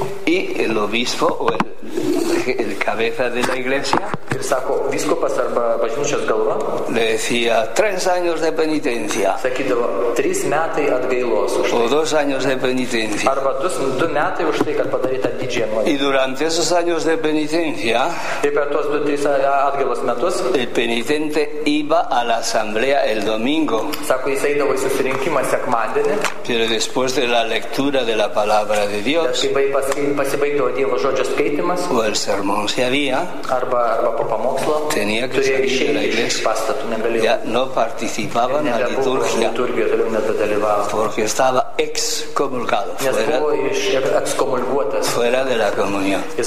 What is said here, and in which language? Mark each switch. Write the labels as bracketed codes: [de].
[es] Y el obispo o el cabeza de la iglesia. [lt] Ir sako, vyskupas arba bažnyčios galva. [es] Le decía, tres años de penitencia. [lt] Sakydavo, trys metai atgailos. [es] O dos años de penitencia. [lt] Arba du metai už tai, kad padaryta didžiąją nuodėmę. [es] Y durante esos años de penitencia. [lt] Ir per tos du trys atgailos metus. [es] El penitente iba a la asamblea el domingo. [lt] Sako, jis eidavo į susirinkimą sekmadienį. [es] Pero después de la lectura de la palabra de Dios. [lt] Kai pasibaigdavo Dievo žodžio skaitimas. [es] O el sermón se había. [lt] Arba po pamokslo. [es] Tenía que salir de la iglesia. [lt] Pastatų, [es] ya no participaba en la liturgia. Porque estaba excomulgado. Fuera de la comunión.